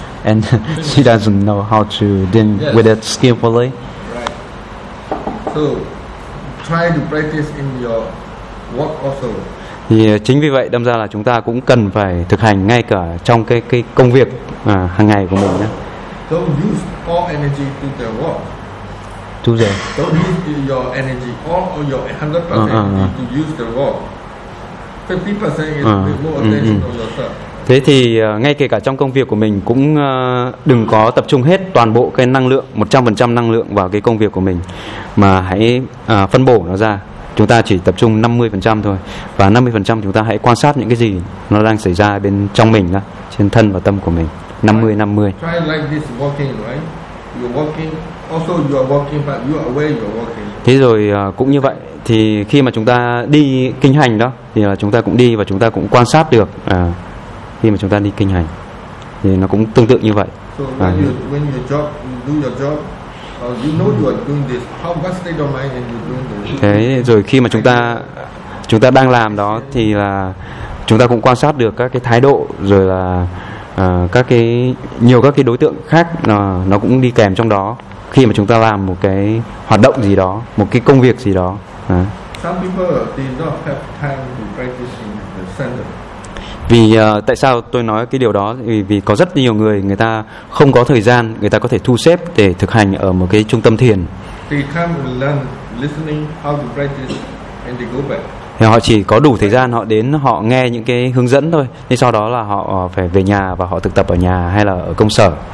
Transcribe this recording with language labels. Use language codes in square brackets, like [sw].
[en] and she doesn't know how to deal with it skillfully. Right. So try to practice in your work also. [vi] Thì chính vì vậy đâm ra là chúng ta cũng cần phải thực hành ngay cả trong cái công việc hàng ngày của mình nhé. [en] Don't use all energy to the work. To the. Don't use your energy, all of your 100% energy to use the work. 50% is more attention to yourself. [vi] Thế thì ngay kể cả trong công việc của mình cũng đừng có tập trung hết toàn bộ cái năng lượng, 100% năng lượng vào cái công việc của mình, mà hãy phân bổ nó ra. Chúng ta chỉ tập trung 50% thôi, và 50% chúng ta hãy quan sát những cái gì nó đang xảy ra bên trong mình đó, trên thân và tâm của mình. [en] 50-50. Try like this walking, right? You're walking, also you are walking, but you are aware you're walking. [vi] Thế rồi cũng như vậy, thì khi mà chúng ta đi kinh hành đó, thì chúng ta cũng đi và chúng ta cũng quan sát được khi mà chúng ta đi kinh hành, thì nó cũng tương tự như vậy. [en] So when you job, you do your job, you know you are doing this. How much state of mind are you doing this? [vi] Thế rồi khi mà chúng ta đang làm đó, thì là chúng ta cũng quan sát được các cái thái độ, rồi là các cái nhiều các cái đối tượng khác nó cũng đi kèm trong đó. Khi mà chúng ta làm một cái hoạt động gì đó, một cái công việc gì đó. [en] Some people they don't have time to practice in the center. [vi] Vì tại sao tôi nói cái điều đó, vì có rất nhiều người, người ta không có thời gian, người ta có thể thu xếp để thực hành ở một cái trung tâm thiền. Thì họ chỉ có đủ thời gian, họ đến họ nghe những cái hướng dẫn thôi, nên sau đó là họ phải về nhà và họ thực tập ở nhà hay là ở công sở.